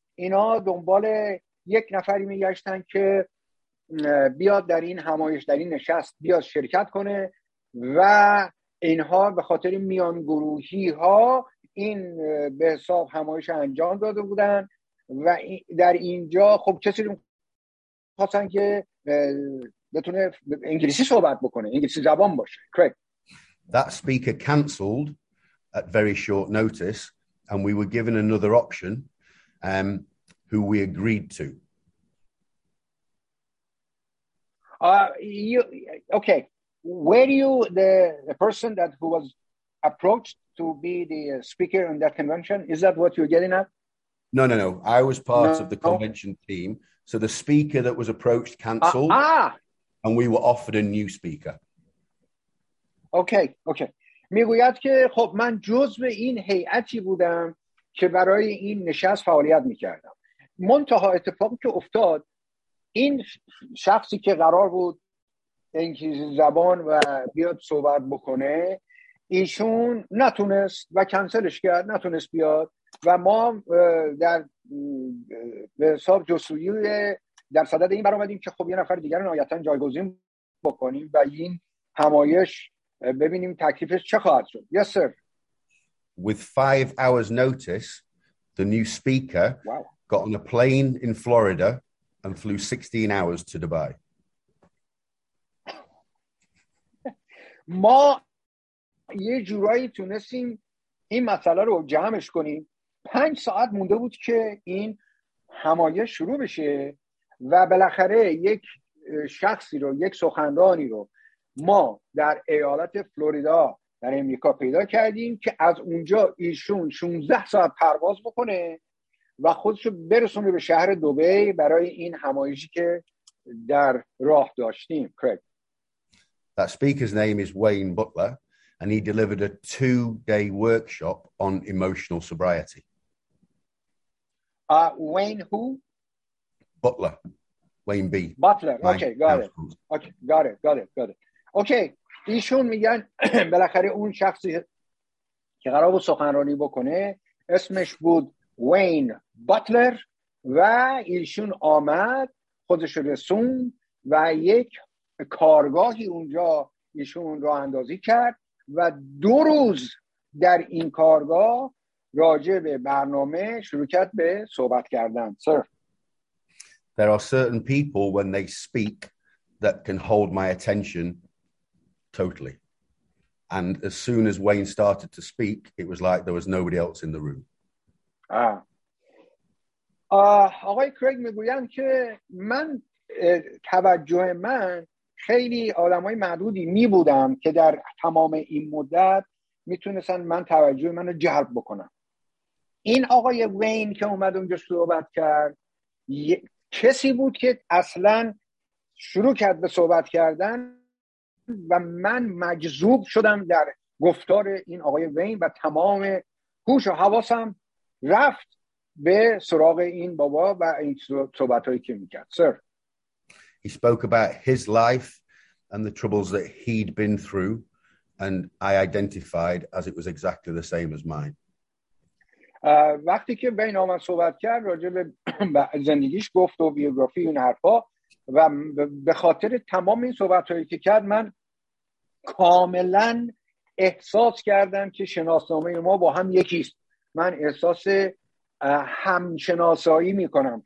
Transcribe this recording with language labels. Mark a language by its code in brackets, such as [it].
[fa] اینا دنبال یک نفری میگشتن که بیاد در این همایش در این نشست بیاد شرکت کنه و اینها به خاطر میان گروهی ها این به حساب همایش انجام داده بودن و در اینجا خب کسی رو خواستن که بتونه انگلیسی صحبت بکنه، انگلیسی زبان باشه. [en] Correct. That speaker cancelled at very short notice and we were given another option who we agreed to. The person that who was approached to be the speaker in that convention, is that what you're getting at? No. I was part of the convention team. So the speaker that was approached cancelled and we were offered a new speaker. Okay. [fa] میگوید که خب من جزو این هیئتی بودم که برای این نشست فعالیت میکردم، منتها اتفاقی که افتاد این شخصی که قرار بود انگلیسی زبان و بیاد صحبت بکنه ایشون نتونست و کنسلش کرد، نتونست بیاد و ما در به حساب جسویی در صدد این برآمدیم که خب یه نفر دیگر نهایتا جایگزین بکنیم و این همایش ببینیم تکلیفش چه خواهد شد. [en] Yes, sir. With 5 hours notice, the new speaker got on a plane in Florida and flew 16 hours to Dubai. [fa] ما یه جورایی تونستیم این مسئله رو جمعش کنیم. 5 ساعت مونده بود که این همایش شروع بشه و بالاخره یک شخصی رو، یک سخنرانی رو ما در ایالت فلوریدا در امریکا پیدا کردیم که از اونجا ایشون 16 ساعت پرواز بکنه و خودشو برسونه به شهر دبی برای این همایشی که در راه داشتیم. [en] کرک. That speaker's name is Wayne Butler, and he delivered a 2-day workshop on emotional sobriety. Wayne who? Butler. Wayne B. Butler. Okay, got it. [fa] Okay, ایشون میگن بالاخره اون شخصی که قرار بود سخنرانی بکنه اسمش بود وین باتلر و ایشون آمد خودش رسون و یک کارگاهی اونجا ایشون راه اندازی کرد و 2 روز در این کارگاه راجع به برنامه شروع کرد به صحبت کردن. [en] سر. There are certain people when they speak that can hold my attention totally. And as soon as Wayne started to speak, it was like there was nobody else in the room. [fa] آقای کریگ میگویند که من توجه من خیلی آدمای معدودی می بودم که در تمام این مدت میتونستن من توجه منو جلب بکنن. این آقای وین که اومد اونجا صحبت کرد کسی بود که اصلا شروع کرد به صحبت کردن و من مجذوب شدم در گفتار این آقای وین و تمام هوش و حواسم رفت به سراغ این بابا و این صحبتایی که میکرد. [en] سر. He spoke about his life and the troubles that he'd been through, and I identified as it was exactly the same as mine. [fa] وقتی که بین آمد صحبت کرد راجع به زندگیش گفت و بیوگرافی اون حرفا و به خاطر تمام این صحبت‌هایی که کرد من کاملا احساس کردم که شناسنامه ما با هم یکیست. من احساس همشناسایی میکنم.